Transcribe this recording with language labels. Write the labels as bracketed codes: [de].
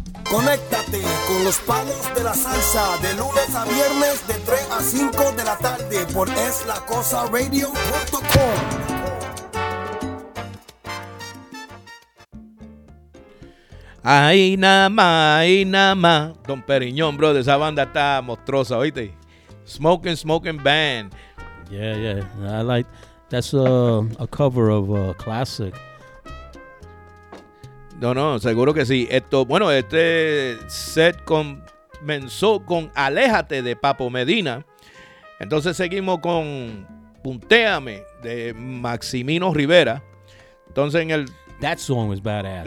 [es] Conéctate con los palos de la salsa de lunes a viernes de 3 a 5 de la tarde por eslacosaradio.com. Ahí nada más, ahí nada más. Don Periñón, bro, de esa banda está monstruosa, ¿oíste? [en] Smoking, smoking band. Yeah, yeah. I like that's a cover of a classic. [es] No, no, seguro que sí. Esto, bueno, este set comenzó con Aléjate de Papo Medina. Entonces seguimos con Punteame de Maximino Rivera. Entonces en el... [en] That song was badass.